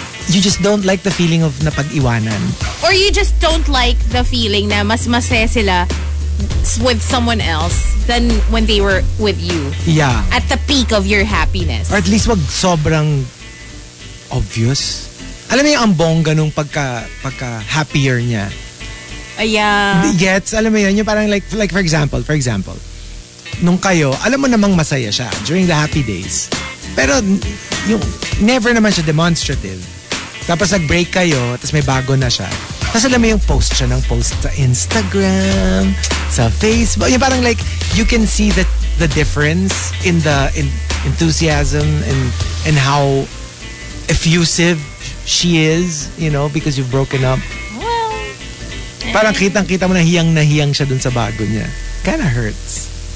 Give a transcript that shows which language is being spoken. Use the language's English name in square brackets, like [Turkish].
[English] You just don't like the feeling of napag-iwanan. Or you just don't like the feeling [Filipino] na mas masaya sila [English] with someone else than when they were with you. Yeah. At the peak of your happiness. Or at least [Filipino] wag sobrang obvious. Alam mo yung ang bongga nung pagka happier niya. [English] Yeah. [Filipino] Gets? Alam mo yun? Yung parang [English] like for example, [Filipino] nung kayo, alam mo namang masaya siya [English] during the happy days. [Filipino] Pero yung never naman siya demonstrative. Tapos nag-break kayo, tapos may bago na siya. Tapos alam mo yung post siya ng post sa Instagram, sa Facebook. Yung parang [English] like, you can see the difference in the in enthusiasm and how effusive she is, you know, because you've broken up. Well, [Filipino] parang kitang-kita mo na hiyang siya dun sa bago niya. [English] Kinda hurts.